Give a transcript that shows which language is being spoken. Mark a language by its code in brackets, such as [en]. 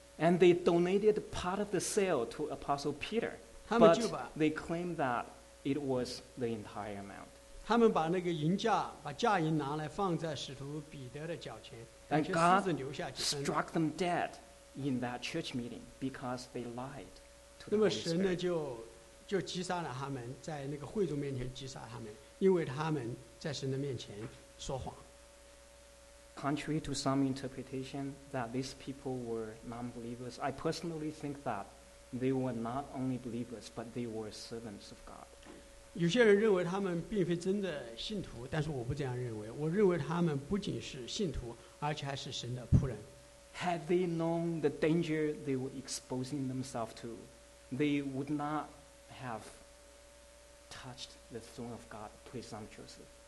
[en] and they donated part of the sale to Apostle Peter. [zh] 他们就把, [en] but they claimed that it was the entire amount. [zh] 他们把那个银价, 把价银拿来放在使徒彼得的脚前, [en] and God struck them dead in that church meeting because they lied to the Holy Spirit. [zh] 那么神呢就击杀了他们, 在那个会众面前击杀他们, 因为他们在神的面前说谎。 [en] Contrary to some interpretation that these people were non-believers, I personally think that they were not only believers, but they were servants of God. [zh] 有些人认为他们并非真的信徒, 但是我不这样认为, 我认为他们不仅是信徒, 而且还是神的仆人。 [en] Had they known the danger they were exposing themselves to, they would not have touched the throne of God presumptuously.